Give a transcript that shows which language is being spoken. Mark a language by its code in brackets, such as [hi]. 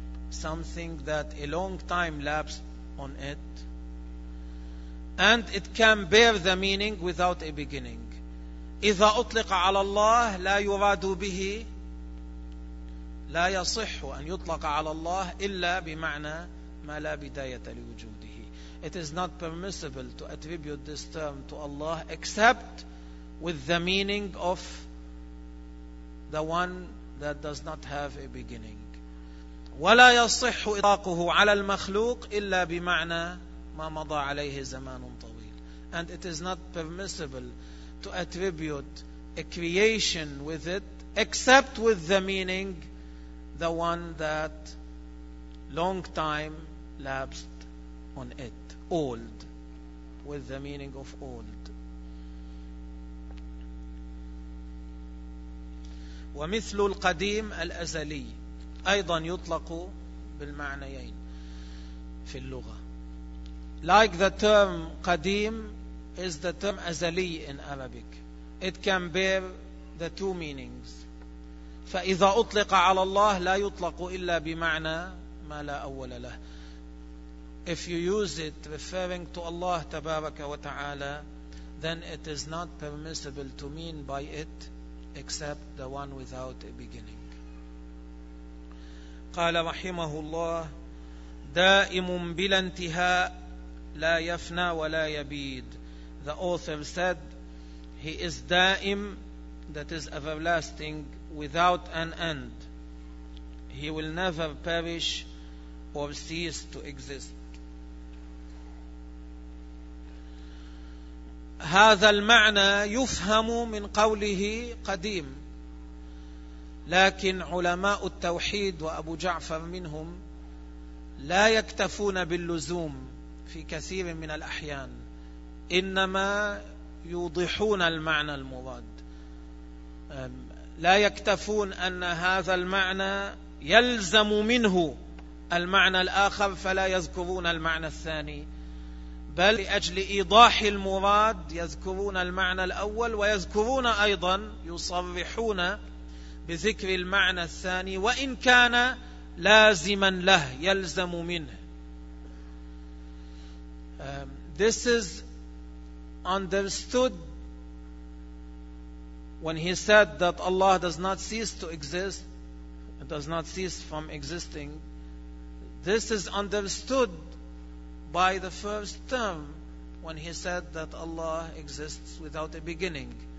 [en] something that a long time lapsed on it, and it can bear the meaning without a beginning. [ar] إذا أطلق على الله لا يراد به لا يصح أن يطلق على الله إلا بمعنى ما لا بداية لوجوده. [en] It is not permissible to attribute this term to Allah except with the meaning of the one that does not have a beginning. [ar] ولا يصح إطلاقه على المخلوق إلا بمعنى ما مضى عليه زمان طويل. [en] And it is not permissible to attribute a creation with it except with the meaning the one that long time lapsed on it, old, with the meaning of old. [ar] ومثل القديم الأزلي أيضا يطلق بالمعنيين في اللغة. [en] Like the term قديم is the term أزلي in Arabic. It can bear the two meanings. [ar] فإذا أطلق على الله لا يطلق إلا بمعنى ما لا أول له. [en] If you use it referring to Allah [ar] تبارك وتعالى, [en] then it is not permissible to mean by it except the one without a beginning. [ar] قال رحمه الله دائم بلا انتهاء لا يفنى ولا يبيد. [en] The author said he is دائم, that is everlasting, without an end. He will never perish or cease to exist. [ar] هذا المعنى يفهم من قوله قديم, لكن علماء التوحيد وأبو جعفر منهم لا يكتفون باللزوم في كثير من الأحيان, إنما يوضحون المعنى المراد. لا يكتفون أن هذا المعنى يلزم منه المعنى الآخر فلا يذكرون المعنى الثاني, بل لأجل إيضاح المراد يذكرون المعنى الأول ويذكرون أيضا يصرحون بذكر المعنى الثاني وإن كان لازما له يلزم منه. [en] This is understood when he said that Allah does not cease to exist, does not cease from existing. This is understood by the first term when he said that Allah exists without a beginning.